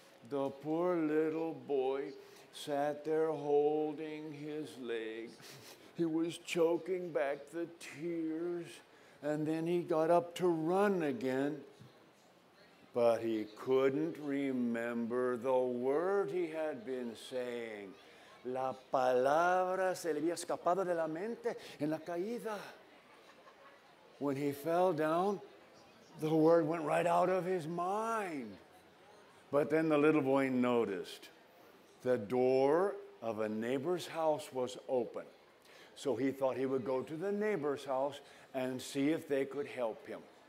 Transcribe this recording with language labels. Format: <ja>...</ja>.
<en>The poor little boy sat there holding his leg. He was choking back the tears, and then he got up to run again, but he couldn't remember the word he had been saying.</en> <es>La palabra se le había escapado de la mente en la caída.</es> <en>When he fell down, the word went right out of his mind. But then the little boy noticed the door of a neighbor's house was open. So he thought he would go to the neighbor's house and see if they could help him.</en>